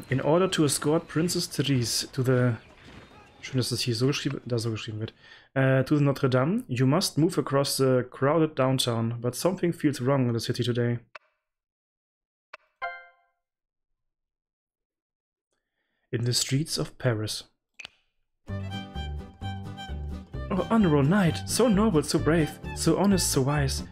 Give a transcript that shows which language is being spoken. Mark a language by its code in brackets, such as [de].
[en] In order to escort Princess Therese to the... [de] Schön, dass das hier so geschrieben, da so geschrieben wird. [en] To the Notre Dame, you must move across the crowded downtown, but something feels wrong in the city today. In the streets of Paris. Oh, honorable knight, so noble, so brave, so honest, so wise.